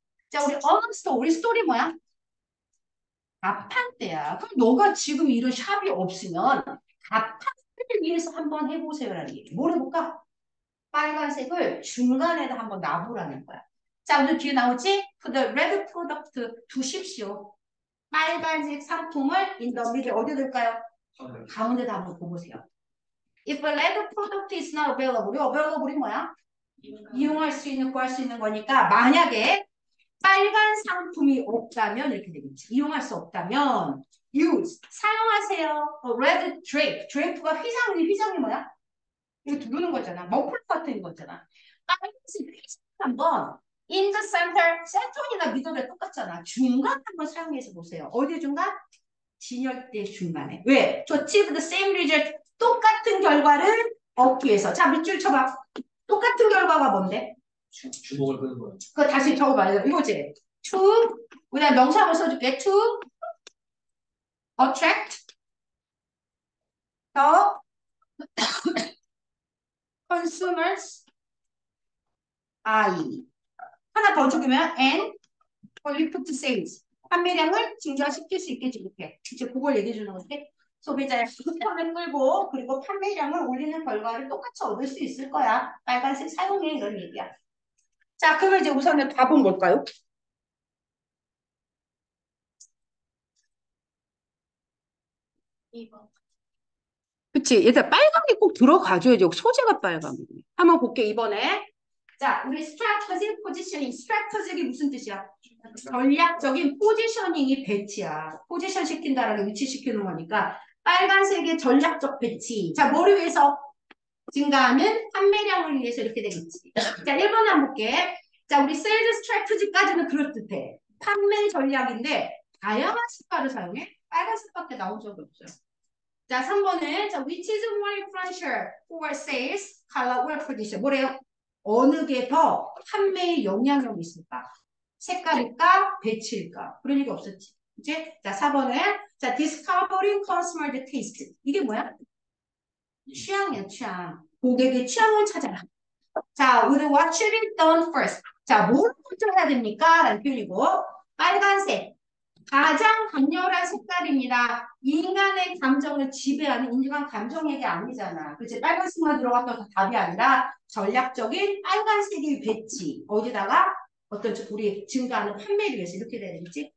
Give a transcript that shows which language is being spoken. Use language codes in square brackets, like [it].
[ko] 자, 우리 어스터 우리 스토리 뭐야? 자판대야. 그럼 너가 지금 이런 샵이 없으면 자판대를 위해서 한번 해보세요라는 얘기. 뭘 해볼까? 빨간색을 중간에다 한번 놔보라는 거야. 자, 오늘 뒤에 나오지? [en] Put the red product [ko] 두십시오. 빨간색 상품을 [en] in the middle [ko] 어디 둘까요? 가운데다 한번 보세요. [en] If a red product is not available, [ko] available이 뭐야? 이용할 수 있는, 구할 수 있는 거니까 만약에 빨간 상품이 없다면 이렇게 되겠지. 이용할 수 없다면 use 사용하세요. [en] Red drape. [ko] drape가 휘장이 뭐야? 이거 두르는 거잖아. 머플러 같은 거잖아. 빨간색 휘장 한번 [en] in the center [ko] 센터이나 미들에 똑같잖아. 중간 한번 사용해서 보세요. 어디 중간? 진열대 중간에. 왜? [en] To achieve the same result. [ko] 똑같은 결과를 얻기 위해서. 자, 밑줄 쳐봐. 똑같은 결과가 뭔데? 주목을 끄는 거야. 그거 다시 적어봐요. 이거지. To, 그냥 명사로 써줄게. [en] To attract the consumer's eye. [ko] 하나 더 적으면 [en] and lift sales. [ko] 판매량을 증가시킬 수 있게 해줄게. 이제 그걸 얘기해 주는 건데. 소비자의 흑화를 끌고, 그리고 판매량을 올리는 결과를 똑같이 얻을 수 있을 거야. 빨간색 사용해. 이런 얘기야. 자, 그러면 이제 우선은 답은 뭘까요? 2번. 그치. 일단 빨간 게꼭 들어가줘야지. 소재가 빨간 게. 한번 볼게, 이번에. 자, 우리 스트라테직 포지셔닝. 스트라테직이 무슨 뜻이야? 전략적인 포지셔닝이 배치야. 포지션 시킨다라는 위치 시키는 거니까. 빨간색의 전략적 배치. 자, 뭐를 위해서 증가하는 판매량을 위해서 이렇게 되겠지. 자, 1번 한번 볼게. 자, 우리 세일즈 스트래티지까지는 그럴듯해. 판매 전략인데 다양한 색깔을 사용해. 빨간색밖에 나온 적이 없어요. [en] 자, 3번은 자, which is more influential for sales color or position. [ko] 뭐래요? 어느 게더 판매에 영향력이 있을까? 색깔일까? 배치일까? 그런 얘기 없었지. 이제 자, 4번에 자, [en] discovering consumer taste. [ko] 이게 뭐야? 취향이야, 취향. 고객의 취향을 찾아라. [en] 자, with what should be done first. [ko] 자, 뭘 먼저 해야 됩니까? 라는 표현이고, 빨간색. 가장 강렬한 색깔입니다. 인간의 감정을 지배하는 인간 감정에게 아니잖아. 그렇지? 빨간색만 들어갔던 답이 아니라 전략적인 빨간색의 배치. 어디다가? 어떤 우리 증가하는 판매를 위해서 이렇게 되는 거지?